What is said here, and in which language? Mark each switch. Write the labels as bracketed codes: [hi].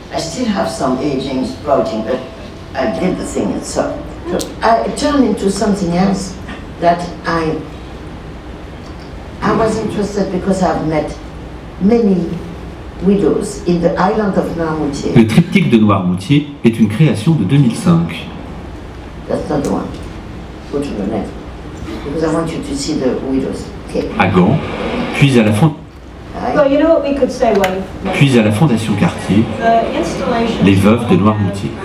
[en] I still have some aging sprouting, but I did the thing itself. It turned into something else that I was interested because I've met many widows in the island of Noirmoutier. [fr] Le triptyque de Noirmoutier est une création de 2005. [en] That's not the one. Go to the next. Because I want you to see the widows. Okay. [fr] À Gand, puis à la frontière. [en] Well, you know what we could say, well, [fr] puis à la Fondation Cartier, les veuves de Noirmoutier.